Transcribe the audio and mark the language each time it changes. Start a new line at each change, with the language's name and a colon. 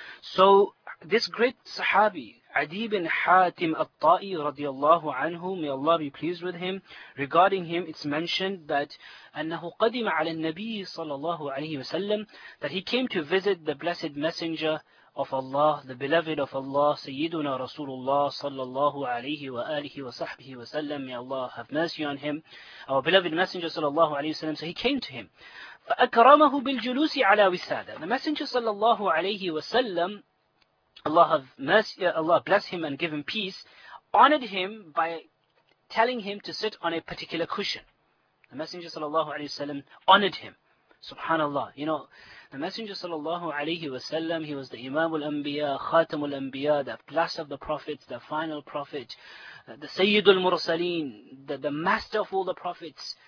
English: So this great Sahabi Adi ibn Hatim al-Ta'i radiyallahu anhu, may Allah be pleased with him, regarding him it's mentioned that
Arabic: أنه قدم على النبي صلى الله عليه وسلم,
English: that he came to visit the blessed messenger of Allah, the beloved of Allah, Sayyiduna Rasulullah صلى الله عليه وآله وصحبه وسلم, may Allah have mercy on him, our beloved messenger صلى الله عليه وسلم. So he came to him.
Arabic: فأكرمه بالجلوس على وسادة.
English: The messenger صلى الله عليه وسلم, Allah have mercy, Allah bless him and give him peace, honored him by telling him to sit on a particular cushion. The Messenger sallallahu alayhi wa sallam honored him. Subhanallah. You know, the Messenger sallallahu alayhi wa sallam, he was the Imam al-Anbiya, Khatam al-Anbiya, the last of the prophets, the final prophet, the Sayyidul Mursaleen, the master of all the prophets.